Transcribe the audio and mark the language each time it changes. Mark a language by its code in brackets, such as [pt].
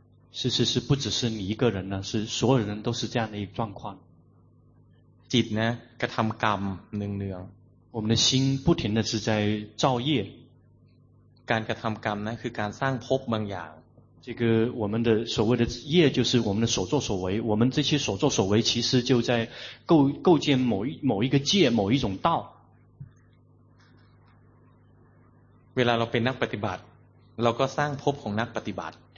[zh] 是不只是你一个人呢是所有人都是这样的一个状况 [th] จิตนะกระทํากรรมเนืองๆ [zh] 我们的心不停的是在造业 [th] การกระทํากรรมนะคือการสร้างภพบางอย่าง [zh] 这个我们的所谓的业就是我们的所作所为我们这些所作所为其实就在构建某一个界某一种道 [th] เวลาเราเป็นนักปฏิบัติเราก็สร้างภพของนักปฏิบัติ